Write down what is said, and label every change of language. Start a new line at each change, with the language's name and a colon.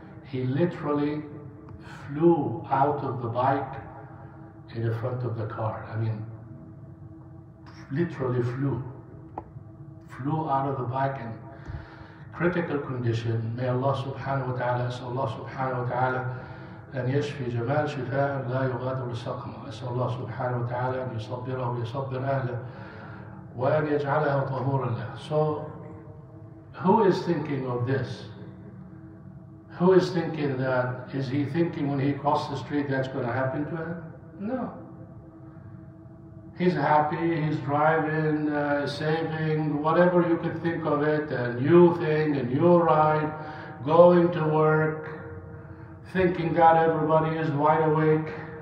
English: He literally flew out of the bike in the front of the car. I mean, literally flew out of the bike in critical condition. May Allah subhanahu wa ta'ala,
Arabic: so Allah subhanahu wa ta'ala أن يشفي جمال شفاء لا يغادر سقما. أسأل الله سبحانه وتعالى أن يصبره ويصبر أهله وأن يجعله طهورا له.
English: So who is thinking of this? Who is thinking that? Is he thinking when he crossed the street that's going to happen to him? No. He's happy, he's driving, saving, whatever you could think of it, a new thing, a new ride, going to work, thinking that everybody is wide awake.